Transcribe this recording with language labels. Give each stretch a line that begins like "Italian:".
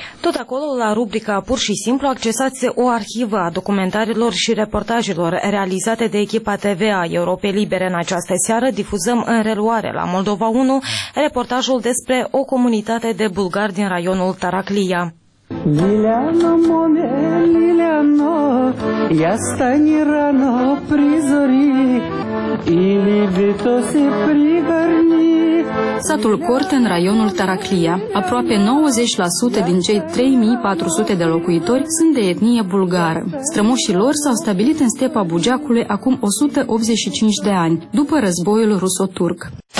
Romanian: Tot acolo, la rubrica Pur și Simplu, accesați o arhivă a documentarilor și reportajelor realizate de echipa TV a Europei Libere. În această seară difuzăm în reluare la Moldova 1 reportajul despre o comunitate de bulgari din raionul Taraclia.
Ukrainian: Liliano, моє, Liliano, я стані рано при зорі, і любитосі пригорні.
Romanian: Satul Corte în raionul Taraclia. Aproape 90% din cei 3400 de locuitori sunt de etnie bulgară. Strămoșii lor s-au stabilit în stepa Bugeacului acum 185 de ani, după războiul ruso-turc.